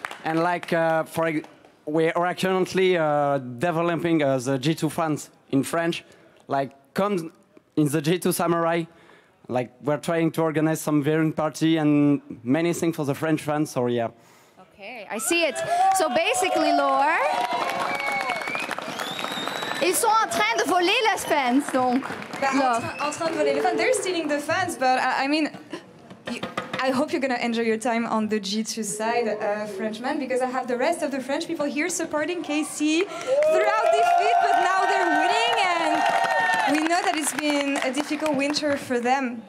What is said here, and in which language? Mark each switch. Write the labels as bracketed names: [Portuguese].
[English] And like, we're currently developing the G2 fans in French. Like, come in the G2 Samurai. Like, we're trying to organize some viewing party and many things for the French fans, so yeah. Okay, I see it. So basically, [French] Laure, ils sont en train de voler les fans, donc. En train de voler les fans. [English] They're stealing the fans, but I mean, I hope you're going to enjoy your time on the G2 side, Frenchman, because I have the rest of the French people here supporting KC throughout defeat, but now they're winning, and we know that it's been a difficult winter for them.